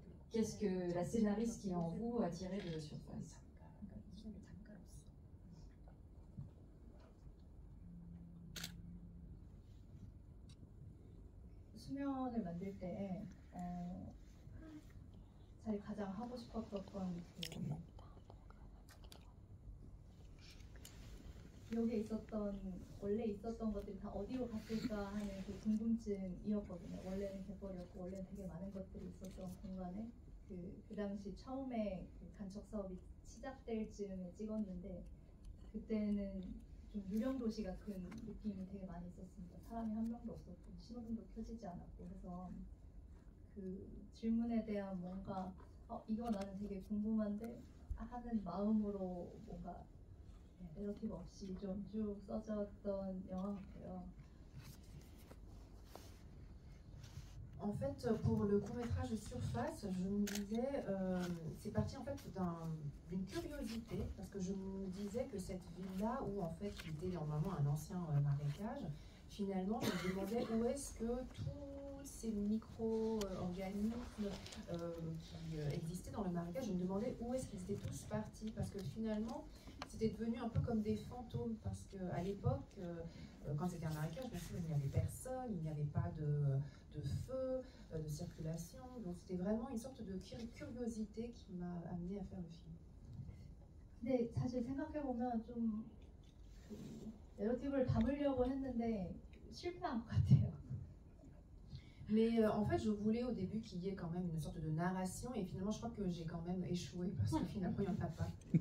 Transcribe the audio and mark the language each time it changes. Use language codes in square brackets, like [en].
[fr] Qu'est-ce que la scénariste qui est en vous a tiré de Surface ? [ko] 수면을 만들 때 제일 가장 하고 싶었던 건 여기 있었던 원래 있었던 것들이 다 어디로 갔을까 하는 그 궁금증이었거든요. 원래는 돼버렸고 원래는 되게 많은 것들이 있었던 공간에 그 당시 처음에 그 간척 사업이 시작될 즈음에 찍었는데 그때는 좀 유령 도시 같은 느낌이 되게 많이 있었습니다. 사람이 한 명도 없었고 신호등도 켜지지 않았고 그래서 그 질문에 대한 뭔가 이거 나는 되게 궁금한데 하는 마음으로 뭔가 네러티브 없이 좀 쭉 써졌던 영화 같아요. [fr] En fait, pour le court-métrage Surface, je me disais, c'est parti en fait d'une curiosité, parce que je me disais que cette ville-là, où en fait il était normalement un ancien marécage, finalement je me demandais où est-ce que tous ces micro-organismes qui existaient dans le marécage, je me demandais où est-ce qu'ils étaient tous partis, parce que finalement c'était devenu un peu comme des fantômes, parce qu'à l'époque, quand c'était un marécage, bien sûr, il n'y avait personne, il n'y avait pas de feu, de circulation. Donc c'était vraiment une sorte de curiosité qui m'a amené à faire le film. Mais, [ko] 사실 생각해보면 좀 narrative를 담으려고 했는데 실패한 것 같아요. [fr] Mais en fait, je voulais au début qu'il y ait quand même une sorte de narration, et finalement, je crois que j'ai quand même échoué parce que finalement, il n'y en a pas.